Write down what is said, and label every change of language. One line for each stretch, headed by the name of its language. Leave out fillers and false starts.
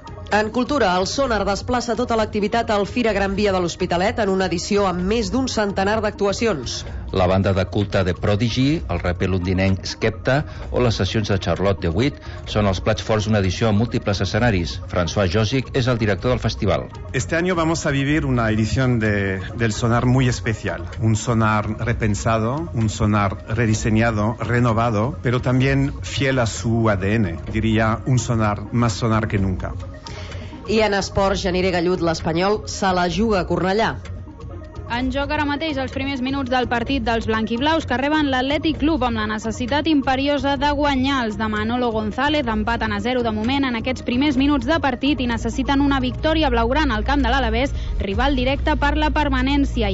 Catalan: En cultura, el Sónar desplaça tota l'activitat al Fira Gran Via de l'Hospitalet en una edició amb més d'un centenar d'actuacions. La banda de culte de Prodigy, el raper londinenc Skepta o les sessions de Charlotte DeWitt són els plats forts d'una edició amb múltiples escenaris. François Josic és el director del festival.
Spanish: Este año vamos a vivir una edición del Sónar muy especial. Un Sónar repensado, un Sónar rediseñado, renovado, pero también fiel a su ADN. Diría un Sónar más Sónar que nunca.
Catalan: I en esport, Genire Gallut, l'Espanyol, se la juga a Cornellà. En joc ara mateix els primers minuts del partit dels blanquiblaus que reben l'Atlètic Club amb la necessitat imperiosa de guanyar. Els de Manolo González empaten a 0 de moment en aquests primers minuts de partit i necessiten una victòria blaugrana al camp de l'Alavés, rival directe per la permanència.